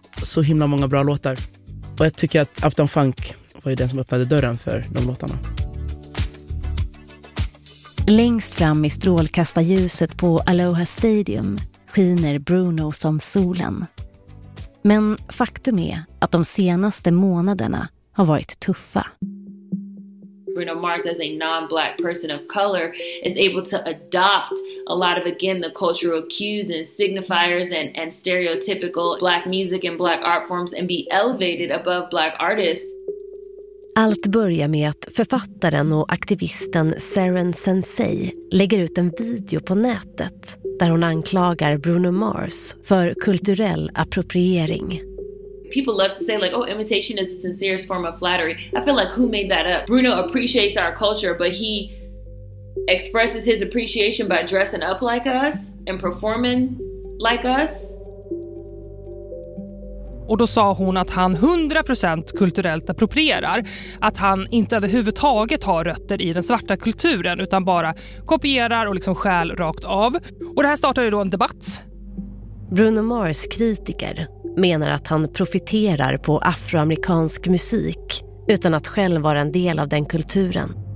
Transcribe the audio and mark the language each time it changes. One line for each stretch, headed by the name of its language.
Swedish: Så himla många bra låtar. Och jag tycker att Uptown Funk var ju den som öppnade dörren för de låtarna. Längst fram i strålkastarljuset på Aloha Stadium skiner Bruno som solen. Men faktum är att de senaste månaderna har varit tuffa.
English: Bruno Mars as a non-black person of color is able to adopt a lot of, again, the cultural cues and signifiers and stereotypical black music and black art forms and be elevated above black artists.
Swedish: Allt börjar med att författaren och aktivisten Saren Sensei lägger ut en video på nätet där hon anklagar Bruno Mars för kulturell appropriering.
English: People love to say like, oh, imitation is the sincerest form of flattery. I feel like who made that up? Bruno appreciates our culture, but he expresses his appreciation by dressing up like us and performing like us.
Swedish: Och då sa hon att han 100% kulturellt approprierar, att han inte överhuvudtaget har rötter i den svarta kulturen utan bara kopierar och liksom stjäl rakt av. Och det här startade då en debatt. Bruno Mars kritiker menar att han profiterar på afroamerikansk musik utan att själv vara en del av den kulturen.